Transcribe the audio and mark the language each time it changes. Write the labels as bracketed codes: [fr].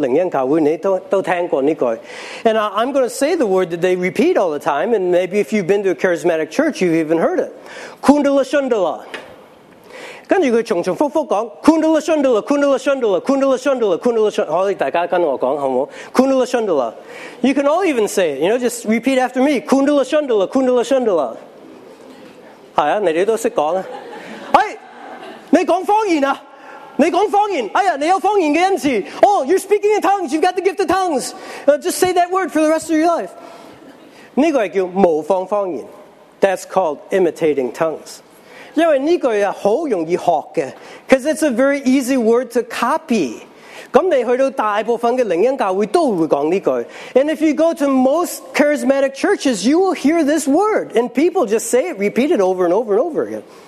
[yue] 咁我夠膽喺度講出嚟，佢平時會聽到佢講，可能你去過靈恩教會，你都聽過呢句。 [en] And I'm going to say the word that they repeat all the time, and maybe if you've been to a charismatic church, you've even heard it. [yue] Kundala Shundala. 跟住佢重重複複講，Kundala Shundala, Kundala Shundala, Kundala Shundala, Kundala Shundala. 可以大家跟我講好冇？Kundala Shundala. [en] You can all even say it. You know, just repeat after me. Kundala Shundala, Kundala Shundala. [yue] 係啊，你哋都識講啊。哎。你講方言啊！你講方言，哎呀，你有方言嘅恩賜。 [en] Oh, you're speaking in tongues. You've got the gift of tongues. Just say that word for the rest of your life. [yue] 呢個係叫模仿方言。 [en] That's called imitating tongues. [yue] 因為呢句係好容易學嘅， [en] because it's a very easy word to copy. [yue] 咁你去到大部分嘅靈恩教會都會講呢句。And [en] if you go to most charismatic churches, you will hear this word, and people just say it, repeat it over and over and over again.